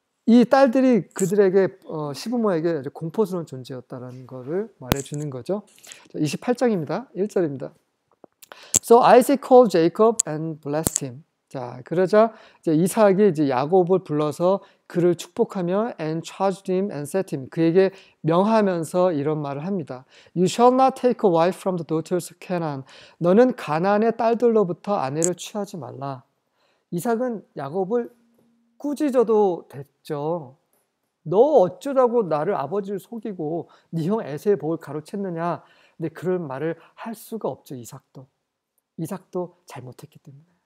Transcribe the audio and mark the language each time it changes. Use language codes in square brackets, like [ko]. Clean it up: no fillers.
[ko] 이 딸들이 그들에게 시부모에게 공포스러운 존재였다라는 것을 말해주는 거죠. 28장입니다. 1절입니다. [en] So Isaac called Jacob and blessed him. [ko] 자, 그러자 이제 이삭이 이제 야곱을 불러서 그를 축복하며 [en] and charged him and set him. [ko] 그에게 명하면서 이런 말을 합니다. [en] You shall not take a wife from the daughters of Canaan. [ko] 너는 가나안의 딸들로부터 아내를 취하지 말라. 이삭은 야곱을 꾸짖어도 됐죠. 너 어쩌라고 나를 아버지를 속이고 네 형 에서의 복을 가로챘느냐. 근데 그런 말을 할 수가 없죠. 이삭도. 이삭도 잘못했기 때문에.